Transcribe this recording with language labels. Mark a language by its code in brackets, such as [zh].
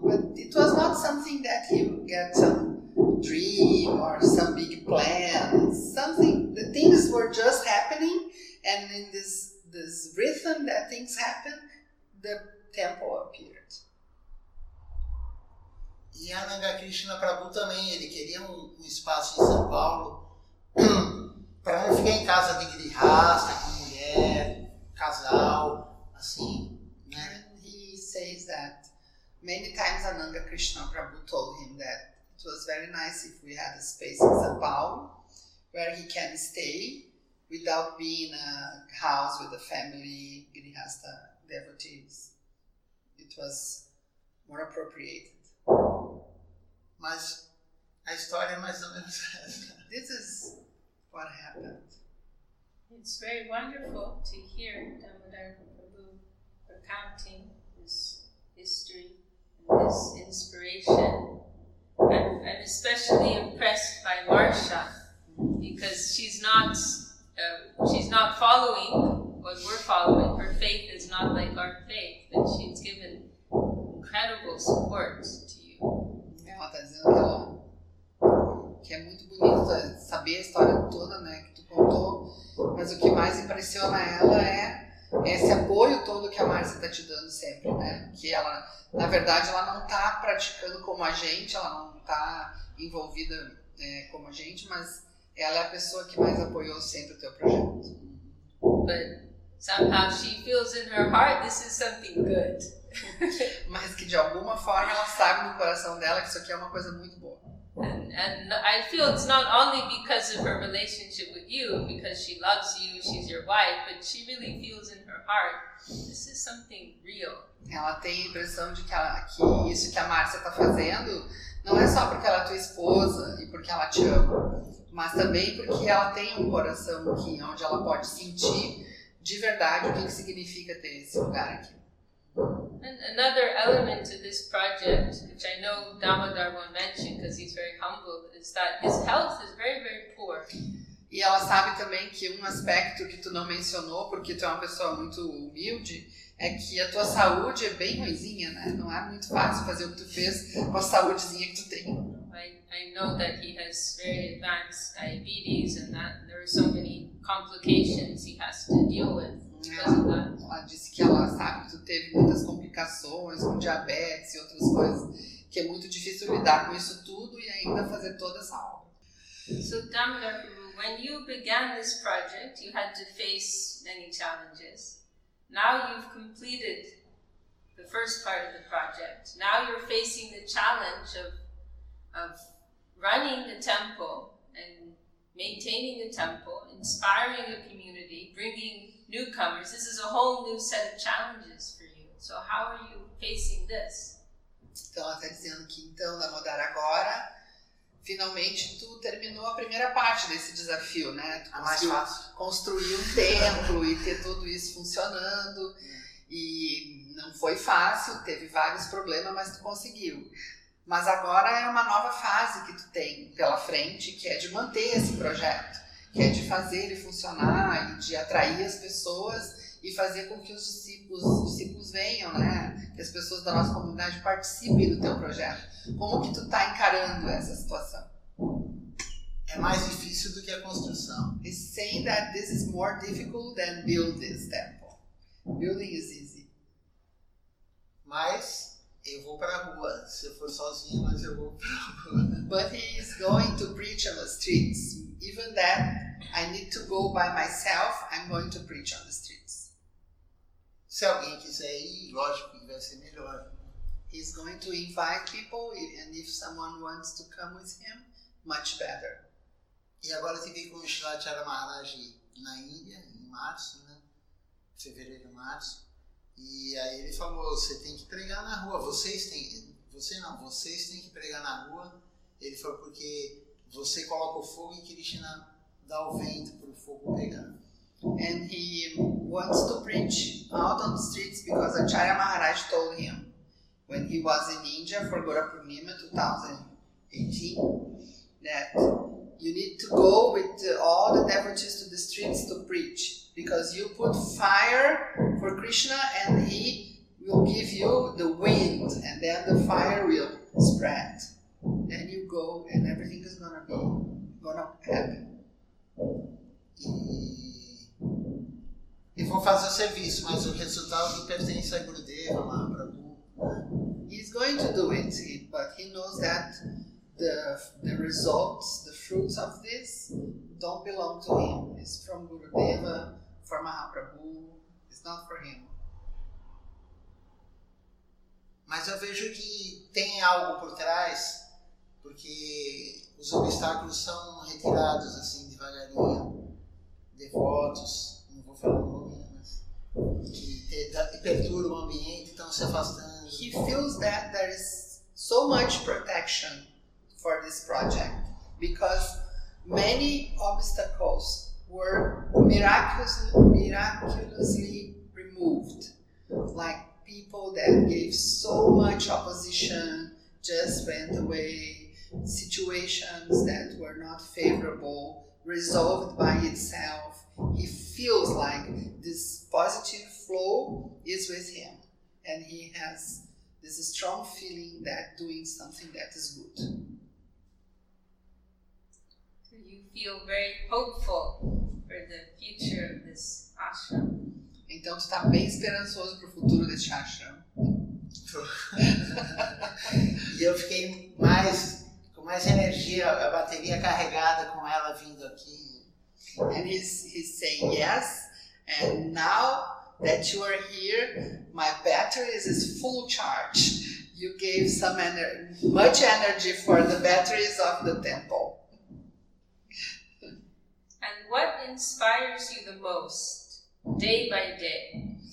[en] But it was not something that he got some dream or some big plan. Something, the things were just happening. And in this rhythm that things happen, the temple appeared. [pt] E Ananga Krishna Prabhu também, ele queria um espaço em São Paulo para não ficar em casa de grihasta, com mulher, casal, assim, né? [en] And he says that many times Ananga Krishna Prabhu told him that it was very nice if we had a space in São Paulo where he can stay without being a house with a family, grihasta, devotees. It was more appropriate. [pt] Mas a história é mais ou menos essa. [en] This is what happened. It's very wonderful to hear Damodar Prabhu recounting this history and this inspiration. I'm especially impressed by Marsha because she's not following what we're following. Her faith is not like our faith, but she's given incredible support to you. [pt] Ela está dizendo que é muito bonito saber a história toda, né, que tu contou, mas o que mais impressiona ela é esse apoio todo que a Márcia está te dando sempre, né? Que ela, na verdade, ela não está praticando como a gente, ela não está envolvida como a gente, mas ela é a pessoa que mais apoiou sempre o teu projeto. [en] But somehow she feels in her heart this is something good. [pt] Mas que de alguma forma ela sabe no coração dela que isso aqui é uma coisa muito boa. [en] And I feel it's not only because of her relationship with you, because she loves you, she's your wife, but she really feels in her heart this is something real. [pt] Ela tem a impressão de que isso que a Márcia está fazendo não é só porque ela é tua esposa e porque ela te ama, mas também porque ela tem um coração aqui onde ela pode sentir de verdade o que significa ter esse lugar aqui. [en] And another element to this project, which I know Damodar won't mention because he's very humble, is that his health is very, very poor. [pt] E ela sabe também que um aspecto que tu não mencionou, porque tu é uma pessoa muito humilde, é que a tua saúde é bem ruizinha, né? Não é muito fácil fazer o que tu fez com a saúdezinha que tu tem. [en] I know that he has very advanced diabetes and that there are so many complications he has to deal with. [pt] Ela disse que ela sabe que tu teve muitas complicações com diabetes e outras coisas, que é muito difícil lidar com isso tudo e ainda fazer toda essa aula. [en] So Damodar Prabhu, when you began this project, you had to face many challenges. Now you've completed the first part of the project. Now you're facing the challenge of running the temple and maintaining the temple, inspiring a community, bringing newcomers. This is a whole new set of challenges for you. So how are you facing this? [pt] Então ela está dizendo que então vai mudar agora. Finalmente tu terminou a primeira parte desse desafio, né? Tu conseguiu construir um templo e ter tudo isso funcionando. E não foi fácil, teve vários problemas, mas tu conseguiu. Mas agora é uma nova fase que tu tem pela frente, que é de manter esse projeto, que é de fazer ele funcionar e de atrair as pessoas e fazer com que os discípulos venham, né? Que as pessoas da nossa comunidade participem do teu projeto. Como que tu tá encarando essa situação? É mais difícil do que a construção. [en] He's saying that this is more difficult than build this temple. Building is easy. [pt] Mas eu vou pra rua. Se eu for sozinho, mas eu vou pra rua. [en] But he is going to preach on the streets. Even that, I need to go by myself, I'm going to preach on the streets. [pt] Se alguém quiser ir, lógico que vai ser melhor. [en] He's going to invite people, and if someone wants to come with him, much better. [pt] E agora tive com o Shri Chara Maharaj na Índia, em março, né? Fevereiro, março. E aí ele falou, você tem que pregar na rua, vocês têm que pregar na rua. Ele falou, porque você coloca o fogo e Krishna dá o vento para o fogo pegar. [en] And he wants to preach out on the streets because Acharya Maharaj told him when he was in India for Gaura Purnima 2018 that you need to go with all the devotees to the streets to preach because you put fire for Krishna and he will give you the wind and then the fire will spread. Then you go and everything is gonna happen. [pt] E vou fazer o serviço, mas o resultado pertence a Gurudeva, lá, Prabhu. [en] He's going to do it, but he knows that the results, the fruits of this, don't belong to him. It's from Gurudeva, from Mahaprabhu. It's not for him. [pt] Mas eu vejo que tem algo por trás, porque os obstáculos são retirados assim devagarinho. Devotos, não vou falar o nome, mas que perturbam o ambiente, estão se afastando. [en] He feels that there is so much protection for this project because many obstacles were miraculously removed. Like people that gave so much opposition just went away. Situations that were not favorable resolved by itself. He feels like this positive flow is with him. And he has this strong feeling that doing something that is good. So you feel very hopeful for the future of this ashram. [pt] Então tu está bem esperançoso para o futuro deste ashram. E eu fiquei mais com mais energia, a bateria carregada com ela vindo aqui. [en] And he's saying yes, and now that you are here, my battery is full charge. You gave some much energy for the batteries of the temple. And what inspires you the most, day by day?